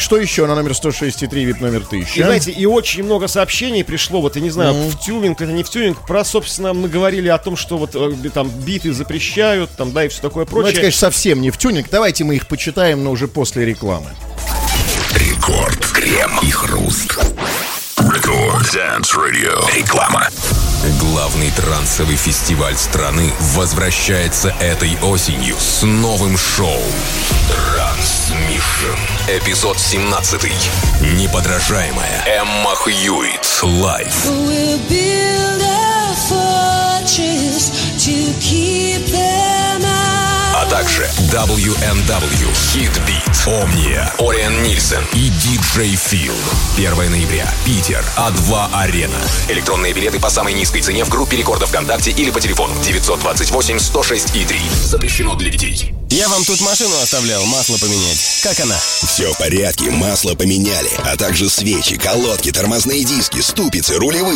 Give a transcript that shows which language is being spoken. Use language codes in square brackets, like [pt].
[ru] Что еще на номер 106.3, VIP-номер 1000? И знаете, и очень много сообщений пришло, вот, я не знаю, в тюнинг, это не в тюнинг, про, собственно, мы говорили о том, что вот там биты запрещают, там, да, и все такое прочее. Ну, это, конечно, совсем не в тюнинг. Давайте мы их почитаем, но уже после рекламы. Рекорд, крем и хруст. Рекорд Dance Radio. Реклама. Главный трансовый фестиваль страны возвращается этой осенью с новым шоу «Трансмиссион». эпизод 17. Неподражаемая Эмма Хьюитт. Лайв. [en] We'll build a fortress to keep them out. [ru] А также WNW, Hitbeat, Omnia, Orion Nielsen и DJ Phil. 1 ноября. Питер. А2 Арена. Электронные билеты по самой низкой цене в группе рекордов ВКонтакте или по телефону 928-106-3. Запрещено для детей. Я вам тут машину оставлял, масло поменять. Как она? Все в порядке, масло поменяли. А также свечи, колодки, тормозные диски, ступицы, рулевые.